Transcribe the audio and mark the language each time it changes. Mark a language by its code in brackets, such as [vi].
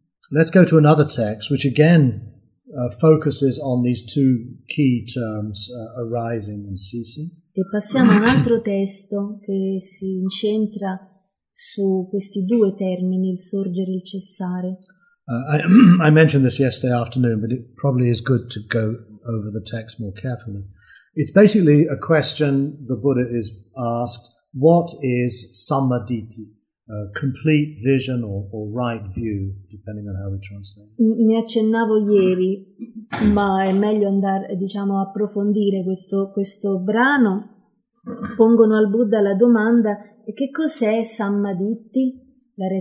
[en] Let's go to another text, which again focuses on these two key terms, arising and ceasing. [it] E passiamo a un altro testo che si incentra su questi due termini, il sorgere e il cessare. [en] I mentioned this yesterday afternoon, but it probably is good to go over the text more carefully. It's basically a question the Buddha is asked, what is samaditi? Complete vision or right view, depending on how we translate. [it] Ne accennavo ieri, ma è meglio andare, diciamo, a approfondire questo brano. Pongono al Buddha la domanda: che cos'è Sammaditti?